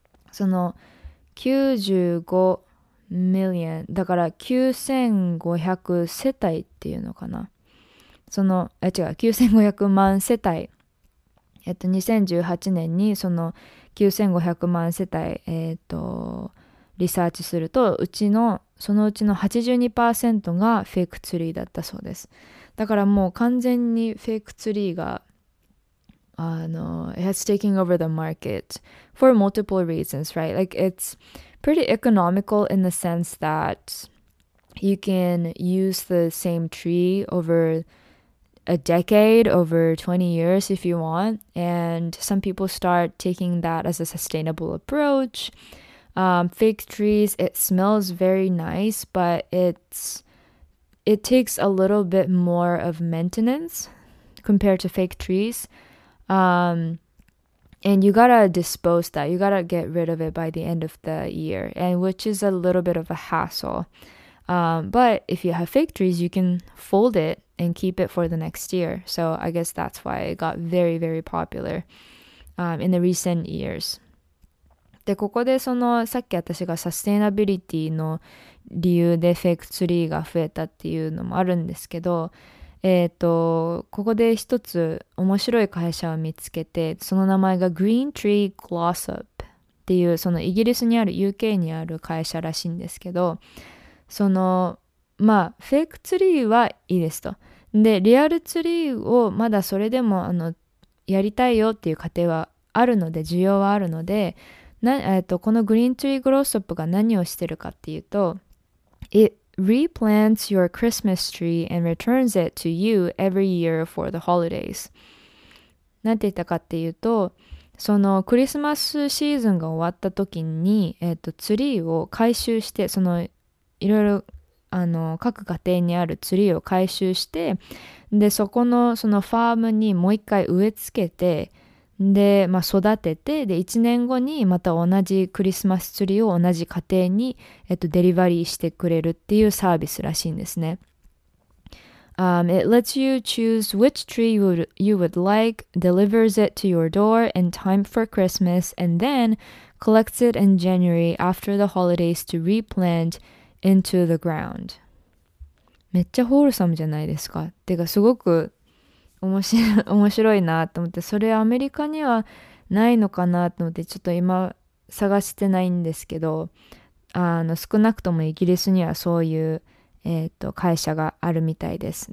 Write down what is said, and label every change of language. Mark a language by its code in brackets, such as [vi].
[ja] その95million だから9500世帯っていうのかな、その違う9500万世帯、2018年にその9500万世帯リサーチすると、うちのそのうちの 82% がフェイクツリーだったそうです。だからもう完全にフェイクツリーが [en] it has taken over the market for multiple reasons, right? Like it'sPretty economical in the sense that you can use the same tree over a decade, over 20 years if you want. And some people start taking that as a sustainable approach. Fake trees, it smells very nice, but it takes a little bit more of maintenance compared to fake trees. And you gotta dispose that. You gotta get rid of it by the end of the year. And which is a little bit of a hassle. But if you have fake trees, you can fold it and keep it for the next year. So I guess that's why it got very, very popular in the recent years. [ja] で、ここでそのさっき私がサステイナビリティの理由でフェイクツリーが増えたっていうのもあるんですけど、ここで一つ面白い会社を見つけて、その名前が Green Tree Glossop っていう、そのイギリスにある UK にある会社らしいんですけど、そのまあフェイクツリーはいいですと、でリアルツリーをまだそれでもやりたいよっていう家庭はあるので、需要はあるので、この Green Tree Glossop が何をしてるかっていうと、 [en] Replants your Christmas tree and returns it to you every year for the holidays. [ja] なんて言ったかっていうと、そのクリスマスシーズンが終わった時に、ツリーを回収して、そのいろいろ各家庭にあるツリーを回収して、でそこのそのファームにもう一回植え付けて、でまあ育てて、で1年後にまた同じクリスマスツリーを同じ家庭にデリバリーしてくれるっていうサービスらしいんですね。 [en] It lets you choose which tree you would like, delivers it to your door in time for Christmas, and then collects it in January after the holidays to replant into the ground. [ja] めっちゃホールサムじゃないですか。てかすごく面白いなと思って、それアメリカにはないのかなと思ってちょっと今探してないんですけど、あの少なくともイギリスにはそういう、会社があるみたいです。